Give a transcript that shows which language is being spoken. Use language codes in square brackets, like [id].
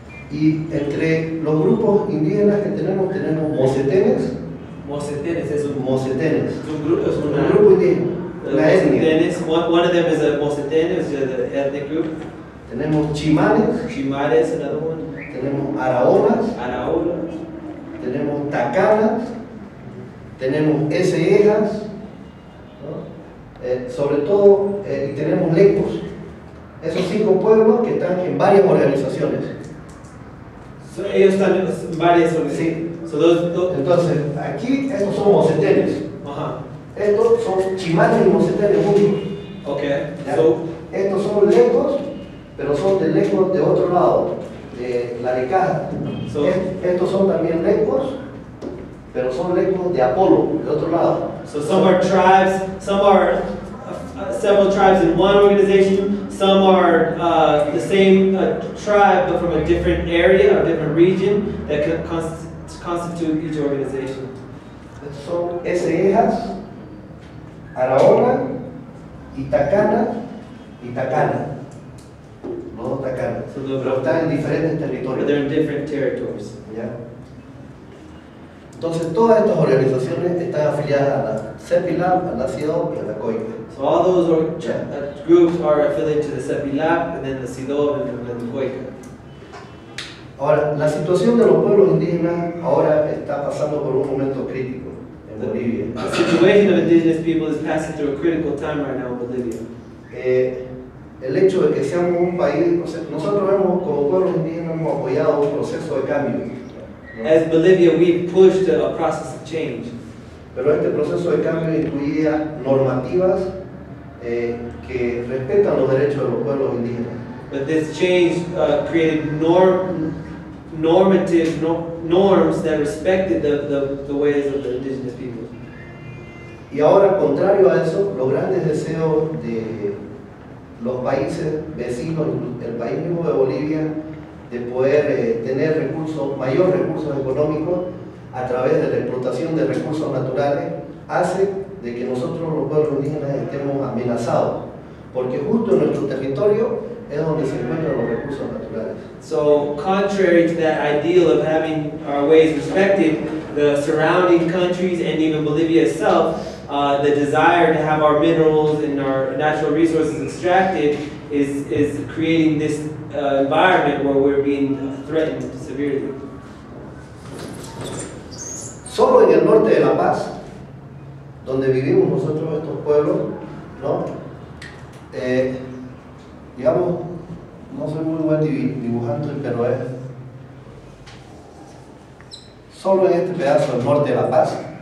[es] Y entre los grupos indígenas que tenemos, tenemos mocetenes. Mocetenes es un mocetenes. Un grupo indígena. Mocetenes. [en] One of them is a mocetenes, the ethnic group. [es] Tenemos chimales. [en] Chimales, another one. [es] Tenemos araonas. Araonas. Tenemos tacanas. Tenemos esejas. Sobre todo, tenemos lecos, esos 5 pueblos que están en varias organizaciones. So, ellos están en varias organizaciones. Sí. So, entonces, aquí estos son mocetenes. Ajá. Estos son chimales y mocetenes juntos. Ok. So, estos son lecos, pero son de lecos de otro lado, de la Licaja. So, estos son también lecos, pero son lecos de Apolo, de otro lado. [en] So, some are tribes, some are several tribes in one organization, some are the same tribe but from a different area or different region that could constitute each organization. [es] Son esejas, araona, itacana, itacana. No tacana. [en] So, the [es] pero están en diferentes territorios. [en] But they're in different territories. Yeah. [es] Entonces todas estas organizaciones están afiliadas a la Sefilat, a la SIDOB y a la COIC. [en] So all those groups are affiliated to the Sefilat, and then the SIDOB and then the COIC. [es] Ahora, la situación de los pueblos indígenas ahora está pasando por un momento crítico en Bolivia. [en] The situation of indigenous people is passing through a critical time right now in Bolivia. [es] El hecho de que seamos un país, o sea, nosotros hemos, como pueblos indígenas, hemos apoyado un proceso de cambio. [en] As Bolivia, we pushed a process of change. [es] Pero este proceso de cambio incluía normativas que respetan los derechos de los pueblos indígenas. [en] But this change created normative norms that respected the ways of the indigenous people. [es] Y ahora, contrario a eso, los grandes deseos de los países vecinos, el país mismo de Bolivia, de poder tener recursos, mayor recursos económicos a través de la explotación de recursos naturales, hace de que nosotros los pueblos indígenas estemos amenazados, porque justo en nuestro territorio es donde se encuentran los recursos naturales. [en] So, contrary to that ideal of having our ways respected, the surrounding countries and even Bolivia itself, the desire to have our minerals and our natural resources extracted is creating this environment where we're being threatened severely. [es] Solo en el norte de La Paz, donde vivimos nosotros estos pueblos, ¿no? Digamos, No soy muy buen dibujante, pero es solo en este pedazo, el norte de La Paz.